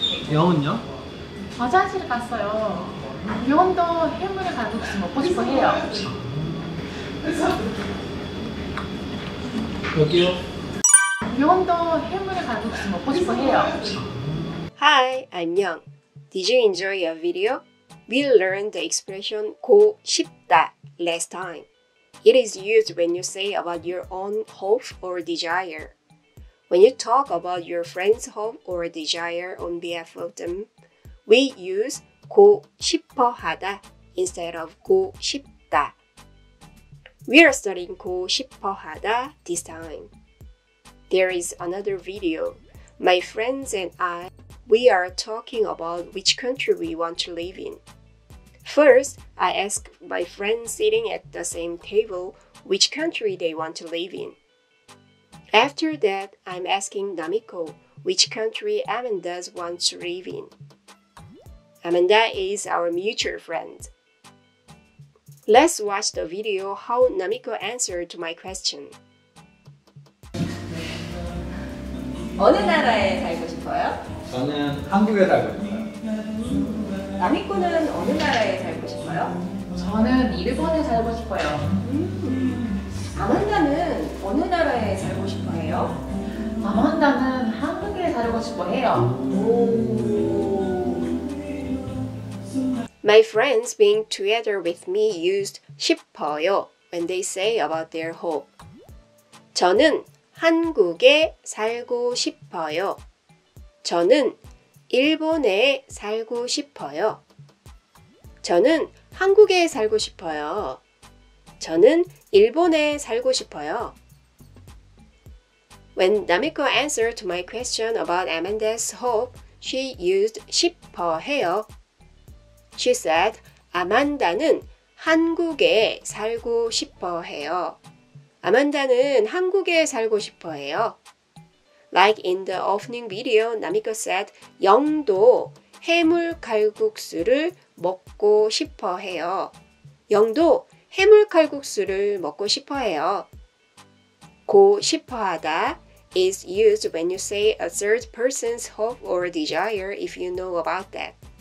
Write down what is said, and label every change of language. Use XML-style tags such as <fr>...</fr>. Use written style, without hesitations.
<ko>영은요? 화장실 갔어요. 영도 해물의 갈비국수 먹고 싶어 해요. 여기요? 영도 해물의 갈비국수 먹고 싶어 해요.</ko> <en>Hi, 안녕. Did you enjoy your video? We learned the expression 고 싶다 last time. It is used when you say about your own hope or desire. When you talk about your friend's hope or desire on behalf of them, we use 고 싶어 하다 instead of 고 싶다. We are studying 고 싶어 하다 this time. There is another video. My friends and I, we are talking about which country we want to live in. First, I ask my friends sitting at the same table which country they want to live in. After that, I'm asking Namiko which country Amanda wants to live in. Amanda is our mutual friend. Let's watch the video how Namiko answered to my question.</en> <ko>어느 나라에 살고 싶어요? 저는 한국에 살고 싶어요. 나미코는 어느 나라에 살고 싶어요? 저는 일본에 살고 싶어요. 아만다는 어느 나라에 살고 싶어 해요? 아만다는 한국에 살고 싶어 해요.</ko> <en>My friends being together with me used 싶어요 when they say about their hope.</en> <ko>저는 한국에 살고 싶어요. 저는 일본에 살고 싶어요. 저는 한국에 살고 싶어요. 저는 일본에 살고 싶어요.</ko> <en>When Namiko answered to my question about Amanda's hope, she used 싶어 해요. She said,</en> <ko>아만다는 한국에 살고 싶어 해요. 아만다는 한국에 살고 싶어 해요.</ko> <en>Like in the opening video, Namiko said,</en> <ko>영도 해물갈국수를 먹고 싶어 해요. 영도 해물갈국수를 먹고 싶어 해요.</ko> <en>고 싶어 하다 is used when you say a third person's hope or desire if you know about that.</en>